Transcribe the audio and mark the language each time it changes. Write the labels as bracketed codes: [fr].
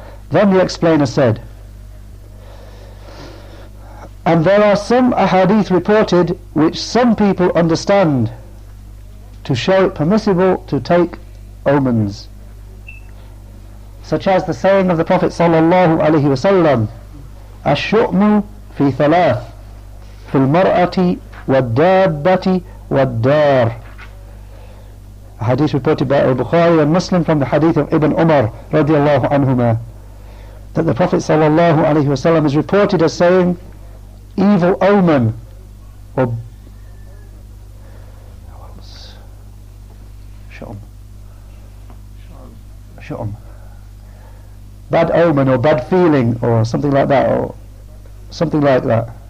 [en] Then the explainer said, and there are some ahadith reported which some people understand to show it permissible to take omens, such as the saying of the Prophet sallallahu alaihi wasallam, [ar] الشؤم في ثلاث في المرأة والدابة والدار. [en] A hadith reported by al-Bukhari and Muslim from the hadith of Ibn Umar radiallahu anhuma, that the Prophet sallallahu alayhi wa sallam is reported as saying, evil omen, or shum, bad omen or bad feeling or something like that, or something like that.